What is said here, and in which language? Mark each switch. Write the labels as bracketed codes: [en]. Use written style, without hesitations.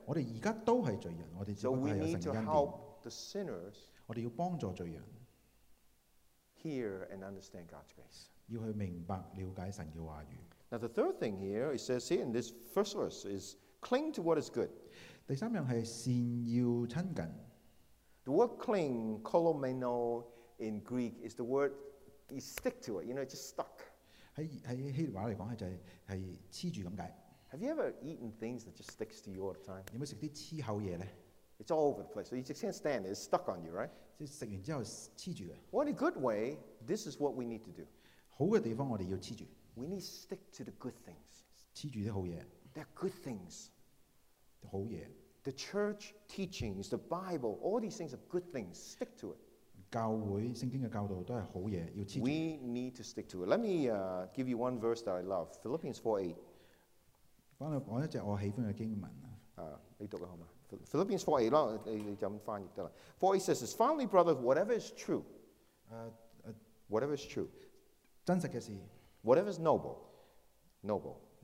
[yue] 我哋而家都係罪人，我哋只不過係有神嘅恩典。 [en] So we need to help the sinners. [yue] 我哋要幫助罪人。 [en] Hear and understand God's grace. [yue] 要去明白了解神嘅話語。 [en] Now the third thing here, it says here in this first verse is cling to what is good. [yue] 第三樣係善要親近。 [en] The word cling, kolomeno in Greek, is the word. You stick to it, you know, just stuck. [yue] 在希臘話來講，就是黐住咁解。 [en] Have you ever eaten things that just sticks to you all the time? [yue] 有冇食啲黐口嘢咧 [en] ？It's all over the place, so you just can't stand it. It's stuck on you, right? [yue] 即係食完之後黐住嘅。 [en] Well, in a good way, this is what we need to do. [yue] 好嘅地方我哋要黐住。 [en] We need to stick to the good things. [yue] 黐住啲好嘢。 [en] They're good things. [yue] 好嘢。 [en] The church teachings, the Bible, all these things are good things. Stick to it. [yue] 教會聖經嘅教導都係好嘢，要黐住。 [en] We need to stick to it. Let me give you one verse that I love, Philippians 4:8. [yue] 翻嚟講一隻我喜歡嘅經文啊。你讀啦好嗎 ？Philippians 4:8 啦，你就咁翻譯得啦。 [en] 4:8 says, "Finally, brothers, whatever is true, whatever is true, [yue] 真實嘅事 [en] Whatever is noble, noble.